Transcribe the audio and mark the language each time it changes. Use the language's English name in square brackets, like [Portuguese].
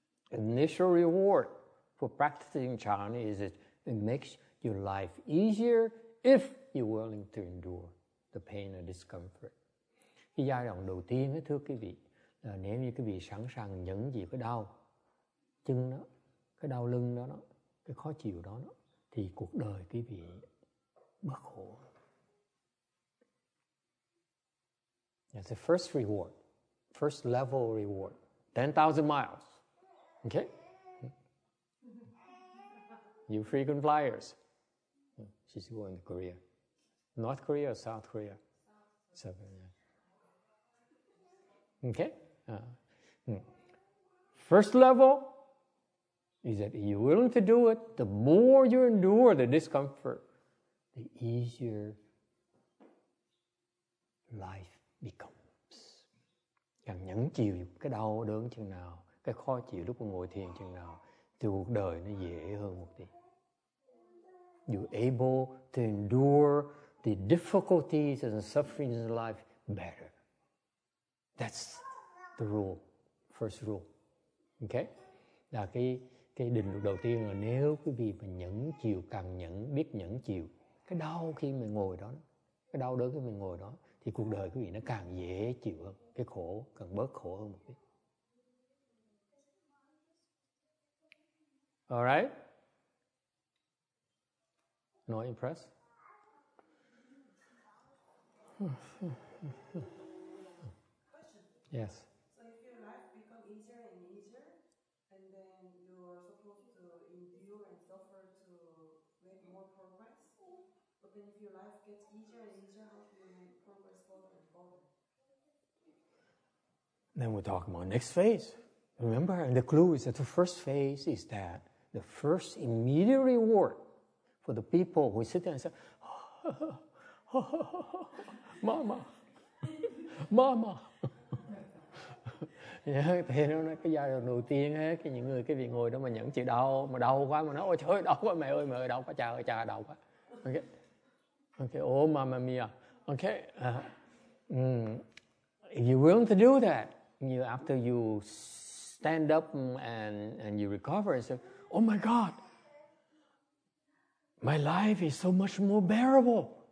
[English] Initial reward for practicing chan is it makes your life easier if you're willing to endure the pain or discomfort. [Vietnamese] Cái giai đoạn đầu tiên ấy, thưa quý vị, là nếu như quý vị sẵn sàng nhẫn chịu cái đau chân đó, cái đau lưng đó, đó cái khó chịu đó, đó, thì cuộc đời quý vị bất khổ. [English] That's the first reward, first level reward, 10,000 miles, okay? You frequent flyers. She's going to Korea. North Korea or South Korea? South Korea. Okay? First level is that you're willing to do it. The more you endure the discomfort, the easier life becomes. [Vietnamese] Càng nhẫn chịu cái đau đớn chừng nào, cái khó chịu lúc ngồi thiền chừng nào, thì cuộc đời nó dễ hơn một tí. [English] You're able to endure the difficulties and sufferings in life better. That's the rule, first rule, okay? [Vietnamese] Là cái định luật đầu tiên là nếu quý vị mà nhẫn chịu, càng nhẫn, biết nhẫn chịu cái đau khi mình ngồi đó, cái đau đớn khi mình ngồi đó, thì cuộc đời quý vị nó càng dễ chịu hơn, cái khổ càng bớt khổ hơn một tí. [English] All right? Not impressed? Yes. Then we're talking about next phase. Remember, and the clue is that the first phase is that the first immediate reward for the people who sit there and say, oh, mama, mama. [Vietnamese] Thì nó nói cái giai đoạn đầu tiên ấy, cái những người cái vị ngồi đó mà nhẫn chịu đau, mà đau quá, mà nói, ôi trời đau quá, mẹ ơi, đau quá, cha ơi, cha đau quá. [English] Okay, oh, mama mia. Okay, if you're willing to do that, you after you stand up and you recover and say, oh my God, my life is so much more bearable.